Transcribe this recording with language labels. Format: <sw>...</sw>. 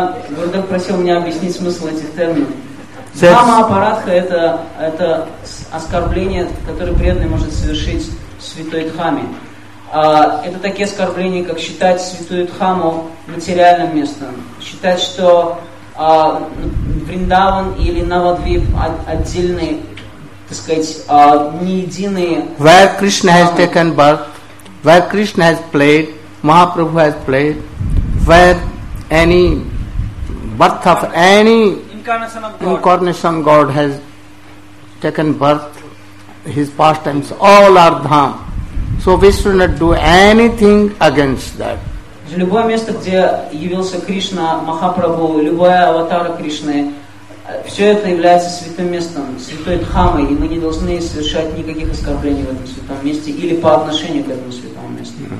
<ru>Гурудев просил меня объяснить смысл этих терминов. Дхамма аппаратха это оскорбление, которое преданный может совершить в святой дхамме. Это такие оскорбления, как считать святую Дхамму материальным местом, считать, что Вриндаван или Навадвип отдельные, так сказать, не единые.</ru> <en>Where Krishna has taken birth, where Krishna has played, Mahaprabhu has played, where any birth of any incarnation of God has taken birth, his pastimes, all are Dham. So we should not do anything against that.</en> <ru>Любое место, где явился Кришна, Махапрабху, любая аватара Кришны, все это является святым местом, святой дхамой, и мы не должны совершать никаких оскорблений в этом святом месте или по отношению к этому святому месту.</ru>